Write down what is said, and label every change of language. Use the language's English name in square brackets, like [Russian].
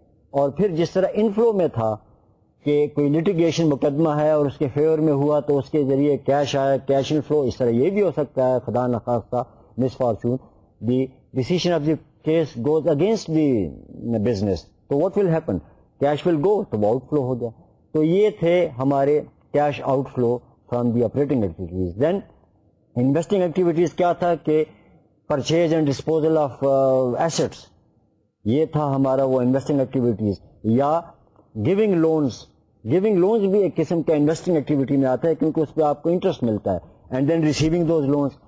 [Urdu] اور پھر جس طرح inflow میں تھا کہ کوئی litigation مقدمہ ہے اور اس کے favor میں ہوا تو اس کے ذریعے cash آیا, cash inflow, اس طرح یہ بھی ہو سکتا ہے, خدا نخواستہ [English] misfortune, the decision of the case goes against the business, so what will happen? Cash will go, to outflow [Urdu] ho gaya. [English] So [Urdu] ye the hamare [English] cash outflow from the operating activities. Then investing activities [Urdu] کیا تھا کہ [English] purchase and disposal of assets, [Urdu] یہ تھا ہمارا وہ [English] Investing activities, یا giving loans. [Urdu] Giving loans بھی ایک قسم کا انویسٹنگ ایکٹیویٹی میں آتا ہے کیونکہ اس پہ آپ کو انٹرسٹ ملتا ہے, [English] And then receiving those loans.